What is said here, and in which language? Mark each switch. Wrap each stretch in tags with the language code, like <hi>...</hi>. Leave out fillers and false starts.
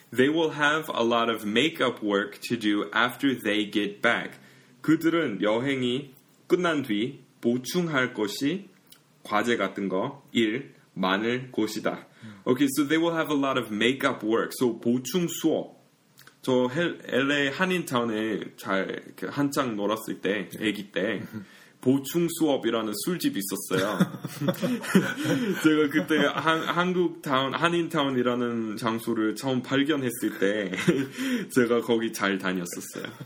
<en>They will have a lot of makeup work to do after they get back.</en> <ko>그들은 여행이 끝난 뒤 보충할 것이 과제 같은 거 일 많을 것이다.</ko> <en>Okay, so they will have a lot of makeup work.</en> <ko>So 보충 수업. 저 LA 한인타운에 잘 한창 놀았을 때, 아기 때. 보충 수업이라는 술집이 있었어요. 제가 그때 한국 타운 한인 타운이라는 장소를 처음 발견했을 때 제가 거기 잘 다녔었어요.</ko>